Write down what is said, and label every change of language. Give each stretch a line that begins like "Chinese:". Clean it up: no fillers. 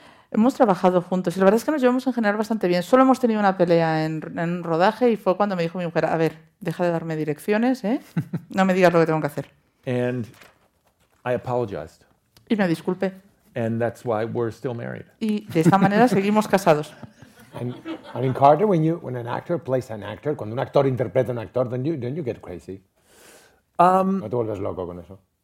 Spanish: Hemos trabajado juntos y la verdad es que nos llevamos en general bastante bien. Solo hemos tenido una pelea en un rodaje y fue cuando me dijo mi mujer, a ver, deja de darme direcciones, ¿eh? No me digas lo que tengo que hacer.
English: And I apologized.
Spanish: Y me disculpé.
English: And that's why we're still married.
Spanish: Y de esta manera seguimos casados.
English: And I mean, Carter, when an actor plays an actor,
Spanish: cuando un actor interpreta un actor,
English: don't you get crazy?
Spanish: ¿No te vuelves loco con eso?